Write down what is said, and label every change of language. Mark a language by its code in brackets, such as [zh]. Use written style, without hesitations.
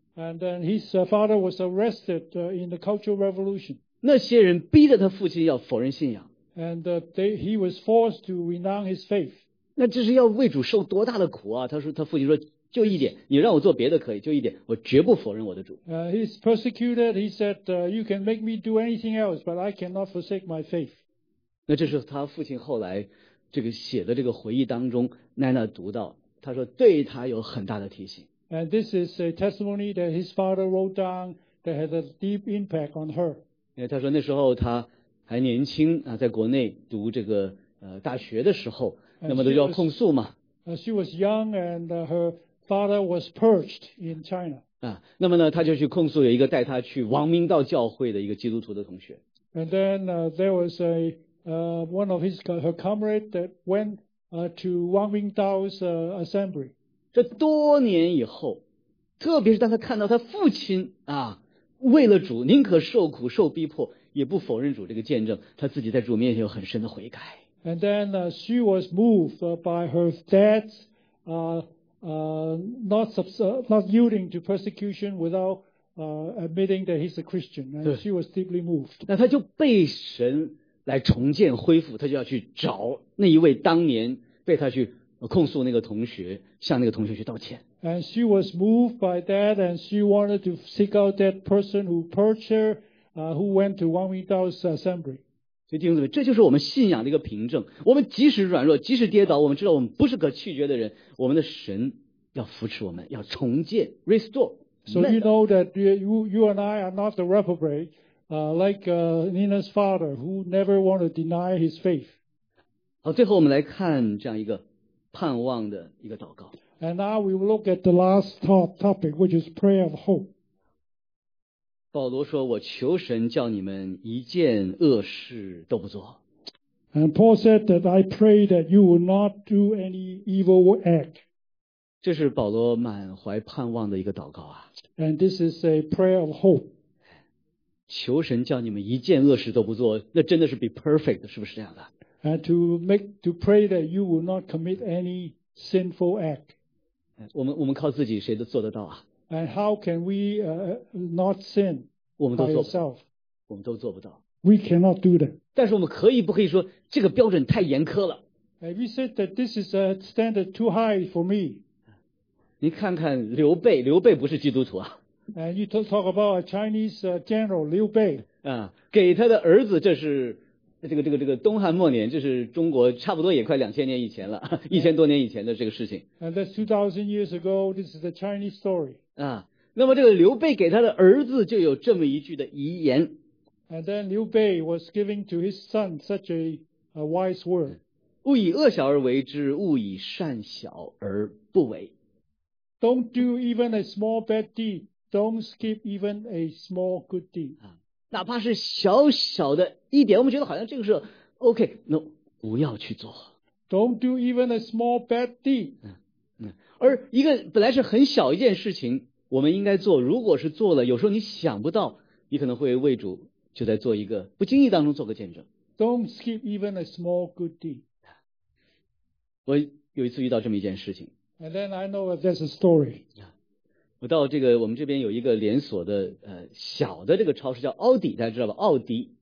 [en] And then his father was arrested in the Cultural Revolution. [zh] 那些人逼着他父亲要否认信仰。 [en] And he was forced to renounce his faith. [zh] 那这是要为主受多大的苦啊他说他父亲说就一点你让我做别的可以就一点我绝不否认我的主。 [en] He's persecuted, he said, you can make me do anything else, but I cannot forsake my faith. [zh] 那这是他父亲后来这个写的这个回忆当中奈娜读到他说对他有很大的提醒。 [en] And this is a testimony that his father wrote down that has a deep impact on her. [zh] 因为他说那时候他还年轻啊在国内读这个大学的时候那么都要控诉嘛。 [en] She was young and her father was purged in China. [zh] 啊那么呢他就去控诉有一个带他去王明道教会的一个基督徒的同学。 [en] And then there was a one of his her comrade that went to Wang Mingdao's assembly. [zh] 这多年以后特别是当他看到他父亲啊为了主宁可受苦受逼迫也不否认主这个见证他自己在主面前有很深的悔改。 [en] And then she was moved by her dad's not yielding to persecution without admitting that he's a Christian. And she was deeply moved. [zh] 那他就被神来重建恢复他就要去找那一位当年被他去控诉那个同学向那个同学去道歉。 [en] And she was moved by that and she wanted to seek out that person who purged her, who went to Wang Mingdao's assembly. [zh] 所以弟兄姊妹这就是我们信仰的一个凭证。我们即使软弱即使跌倒我们知道我们不是可弃绝的人我们的神要扶持我们要重建 restore. [en] So you know that you and I are not the reprobate. Like Nina's father, who never wanted to deny his faith. [zh] 好，最后我们来看这样一个盼望的一个祷告。 [en] And now we will look at the last top topic, which is prayer of hope. [zh] 保罗说：“我求神叫你们一件恶事都不做。” [en] And Paul said that I pray that you will not do any evil act. [zh] 这是保罗满怀盼望的一个祷告啊。 [en] And this is a prayer of hope. [zh] 求神叫你们一件恶事都不做，那真的是 [en] be perfect， [zh] 是不是这样的 [en] ？And to pray that you will not commit any sinful act. [zh] 我们靠自己谁都做得到啊 [en] ？And how can we not sin by yourself？ [zh] 我们都做不到。 [en] We cannot do that. [zh] 但是我们可以不可以说这个标准太严苛了 [en] ？And we said that this is a standard too high for me. [zh] 你看看刘备，刘备不是基督徒啊？ [en] And you talk about a Chinese general, Liu Bei. [zh] 给他的儿子这是这个东汉末年这是中国差不多也快两千年以前了一千多年以前的这个事情。 [en] And that's 2000 years ago, this is a Chinese story. [zh] 那么这个刘备给他的儿子就有这么一句的遗言。 [en] And then Liu Bei was giving to his son such a wise word. [zh] 勿以恶小而为之勿以善小而不为。 [en] Don't do even a small bad deed. Don't skip even a small good deed. [zh] 哪怕是小小的一点我们觉得好像这个是 [en] OK, no, [zh] 不要去做。 [en] Don't do even a small bad deed. [zh] 而一个本来是很小一件事情我们应该做如果是做了有时候你想不到你可能会为主就在做一个不经意当中做个见证。 [en] Don't skip even a small good deed. [zh] 我有一次遇到这么一件事情。 [en] And then I know that there's a story. [zh] 我到这个我们这边有一个连锁的小的这个超市叫奥迪大家知道吧奥迪。